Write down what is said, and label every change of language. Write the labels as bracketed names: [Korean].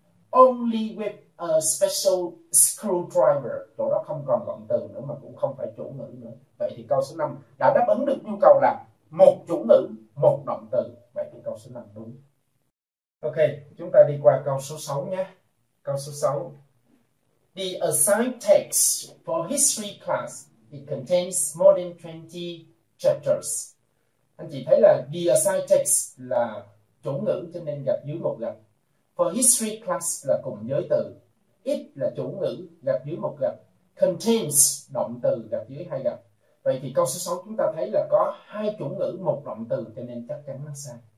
[English] Only with a special screwdriver. [Vietnamese] Chỗ đó không còn động từ nữa mà cũng không phải chủ ngữ nữa. Vậy thì câu số 5 đã đáp ứng được nhu cầu là một chủ ngữ, một động từ. Vậy thì câu số 5 đúng. Ok, chúng ta đi qua câu số 6 nhé. Câu số 6. [English] The assigned text for history class, it contains more than 20 chapters. [Vietnamese] Anh chị thấy là [English] the assigned text [Vietnamese] là chủ ngữ, cho nên gạch dưới một gạch. [English] For history class [Vietnamese] là cùng giới từ. It là chủ ngữ, gạch dưới một gạch. [English] Contains, [Vietnamese] động từ, gạch dưới hai gạch. Vậy thì câu số 6 chúng ta thấy là có hai chủ ngữ, một động từ, cho nên chắc chắn nó sai.